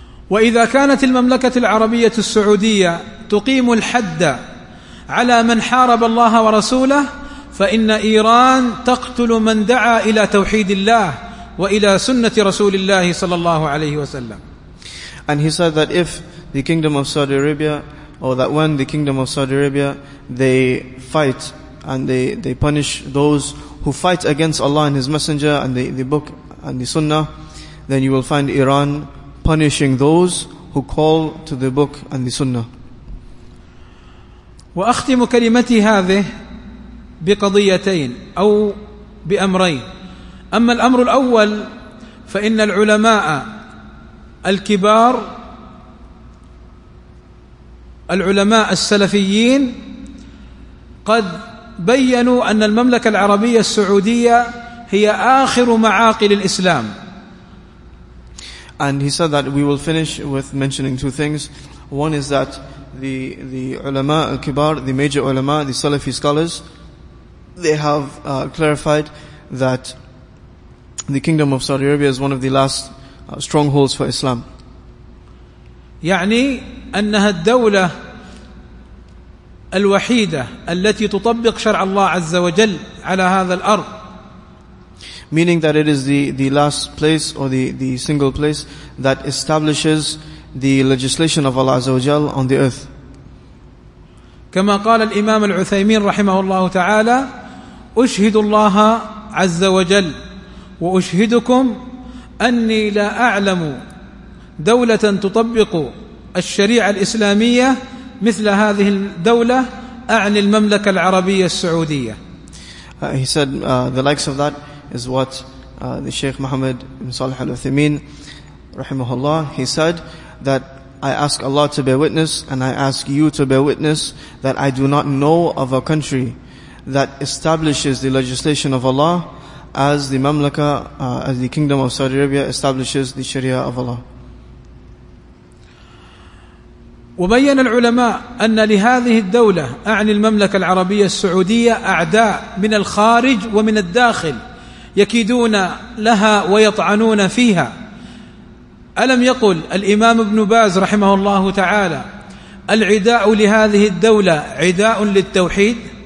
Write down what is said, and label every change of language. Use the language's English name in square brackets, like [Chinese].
[Arabic] وإذا كانت المملكة العربية السعودية تقيم الحد على من حارب الله ورسوله فإن إيران تقتل من دعا إلى توحيد الله وإلى سنة رسول الله صلى الله عليه وسلم. [English] And he said that if the kingdom of Saudi Arabia, or that when the kingdom of Saudi Arabia, they fight and they punish those who fight against Allah and His Messenger and the book and the Sunnah, then you will find Iran punishing those who call to the book and the Sunnah. [Arabic] وأختم كلمتي هذه بقضيتين أو بأمرين. أما الأمر الأول فإن العلماء الكبار العلماء السلفيين قد بيّنوا أن المملكة العربية السعودية هي آخر معاقل الإسلام. [English] And he said that we will finish with mentioning two things. One is that the ulama al-kibar, the major ulama, the Salafi scholars, they have clarified that the kingdom of Saudi Arabia is one of the last strongholds for Islam. [Arabic] يعني أنها الدولة الوحيدة التي تطبق شرع الله عز وجل على هذا الأرض. [English] Meaning that it is the last place or the single place that establishes the legislation of Allah Azza wa Jal on the earth. [Arabic] كما قال الإمام العثيمين رحمه الله تعالى أشهد الله عز وجل وأشهدكم أني لا أعلم دولة تطبق الشريعة الإسلامية مثل هذه الدولة أعني المملكة العربية السعودية. [English] He said the likes of that is what the Sheikh Muhammad bin Salih al-Uthaymeen rahimahullah, he said that I ask Allah to bear witness and I ask you to bear witness that I do not know of a country that establishes the legislation of Allah as the Mamlaka, as the Kingdom of Saudi Arabia establishes the Sharia of Allah. [Arabic] وبين العلماء أن لهذه الدولة أعني المملكة العربية السعودية أعداء من الخارج ومن الداخل يكيدون لها ويطعنون فيها. ألم يقل الإمام ابن باز رحمه الله تعالى العداء لهذه الدولة عداء للتوحيد؟